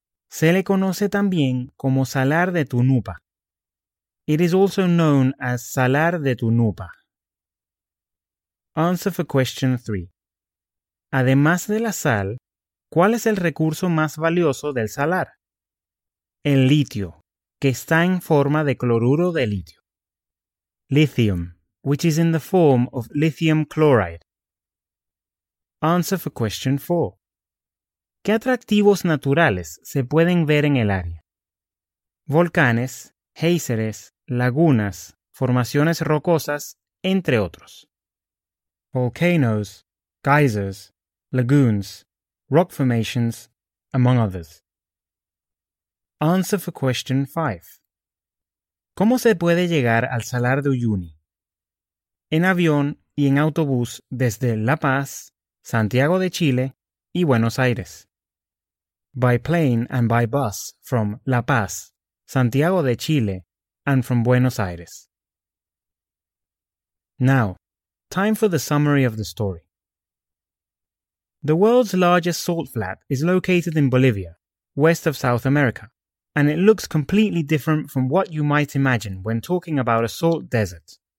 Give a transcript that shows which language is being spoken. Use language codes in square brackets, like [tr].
[es] Se le conoce también como Salar de Tunupa. [en] It is also known as Salar de Tunupa. Answer for question 3. [es] Además de la sal, ¿cuál es el recurso más valioso del salar? El litio, que está en forma de cloruro de litio. [en] Lithium, which is in the form of lithium chloride. Answer for question 4. [es] ¿Qué atractivos naturales se pueden ver en el área? Volcanes, géiseres, lagunas, formaciones rocosas, entre otros. [en] Volcanoes, geysers, lagoons, rock formations, among others. Answer for question 5. [es] ¿Cómo se puede llegar al Salar de Uyuni? En avión y en autobús desde La Paz, Santiago de Chile y Buenos Aires. [en] By plane and by bus from La Paz, Santiago de Chile, and from Buenos Aires. Now, time for the summary of the story. The world's largest salt flat is located in Bolivia, west of South America, and it looks completely different from what you might imagine when talking about a salt desert.